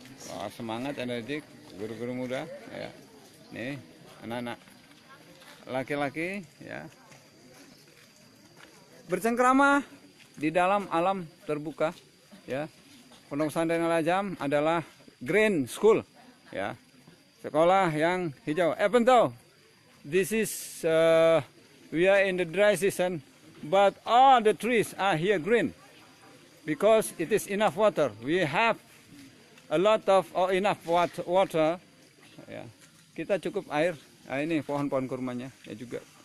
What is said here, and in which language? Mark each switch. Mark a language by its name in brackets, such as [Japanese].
[Indonesian] Wah, semangat, energik, guru-guru muda ya. Nih, anak-anak laki-laki ya. Bercengkrama di dalam alam terbuka, ya. Pondok Pesantren Al Azam adalah green school, ya. Sekolah yang hijau. [English] Pentau, this is we are in the dry season, but all the trees are here green because it is enough water. We have a lot of enough water. [Indonesian] Ya. Kita cukup air. Nah, ini pohon-pohon kurmanya, ya juga.